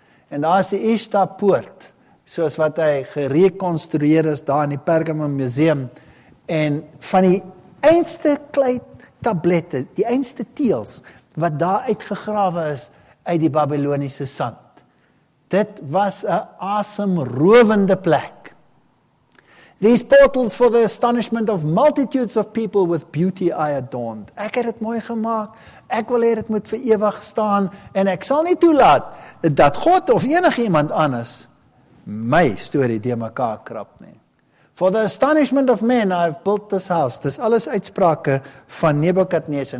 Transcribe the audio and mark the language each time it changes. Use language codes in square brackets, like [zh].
[af] En daar is die Ishtar-poort, soos wat hy gerekonstrueer is daar in die Pergamon Museum. En van die eindste kleitablette, die eindste teels, wat daar uitgegrawe is uit die Babyloniese sand. Dit was 'n asemrowende plek. [en] These portals for the astonishment of multitudes of people with beauty I adorned. [af] Ek het dit mooi gemaak, ek wil hê dit moet vir ewig staan, en ek sal nie toelaat dat God of enige iemand anders my storie die mekaar krap nie. [en] For the astonishment of men, I have built this house. [af] Dis alles uitsprake van Nebukadneser.